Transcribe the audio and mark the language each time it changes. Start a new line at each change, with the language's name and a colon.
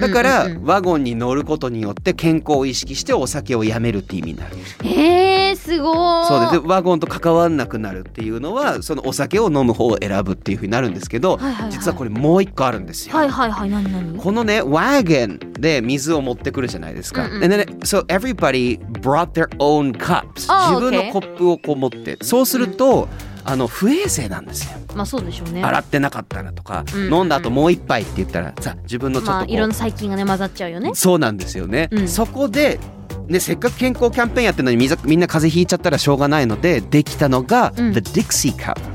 Japanese: だからワゴンに乗ることによって健康を意識してお酒をやめるって意味になる。すごい。そうで、ワゴンと関わんなくなるっていうのはそのお酒を飲む方を選ぶっていうふうになるんですけど、はいはいはい、実はこれもう一個あるんですよ。はいはいはい、何何。このねワーゲンで水を持ってくるじゃないですか、うんうん、
English: And then, so everybody brought their own cups、 oh,
Japanese: 自分のコップをこう持って、
English: okay.
Japanese: そうすると、うん、あの不衛生なんですよ。まあそうでしょうね。洗ってなかったらとか、うんうん、飲んだ後もう一杯って言ったらさ、自分のちょっとこう、まあ、いろんな細菌がね混ざっちゃうよね。そうなんですよね、うん、そこで、ね、せっかく健康キャンペーンやってるのに みんな風邪ひいちゃったらしょうがないのでできたのが、うん、The Dixie Cup。